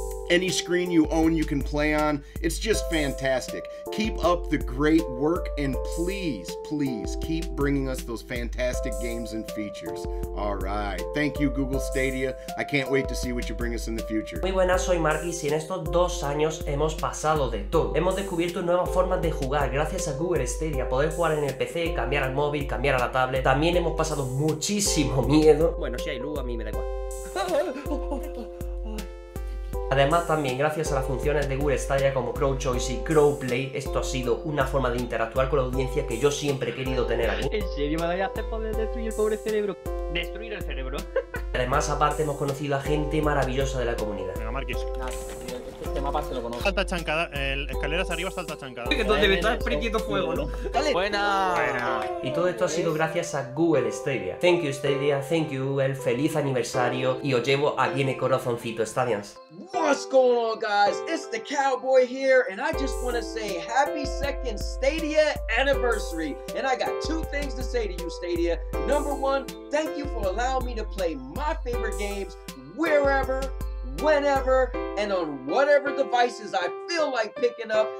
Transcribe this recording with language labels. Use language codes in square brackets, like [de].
[en] Any screen you own, you can play on. It's just fantastic. Keep up the great work, and please, please keep bringing us those fantastic games and features. All right. Thank you, Google Stadia. I can't wait to see what you bring us in the future. [es] Muy buenas, soy Margis, y en estos dos años hemos pasado de todo. Hemos descubierto nuevas formas de jugar gracias a Google Stadia. Poder jugar en el PC, cambiar al móvil, cambiar a la tablet. También hemos pasado muchísimo miedo. Bueno, si hay luz, a mí me da igual. Además, también gracias a las funciones de Google Stadia como Crowd Choice y Crowd Play, esto ha sido una forma de interactuar con la audiencia que yo siempre he querido tener aquí. ¿En serio me voy a hacer poder destruir el pobre cerebro? ¿Destruir el cerebro? Además, aparte, hemos conocido a gente maravillosa de la comunidad. Venga, Marquis. Este mapa se lo conozco. Salta chancada, escaleras arriba, salta chancada. Que donde me estás prendiendo fuego, ¿no? ¡Dale! ¡Buena! Y todo esto ha sido gracias a Google Stadia. [en] Thank you, Stadia. Thank you, Google. [es] Feliz aniversario. Y os llevo aquí en el corazoncito, Stadians. [en] What's going on, guys? It's the Cowboy here, and I just want to say happy second Stadia anniversary. And I got two things to say to you, Stadia. Number one, thank you for allowing me to play my favorite games wherever, whenever, and on whatever devices I feel like picking up.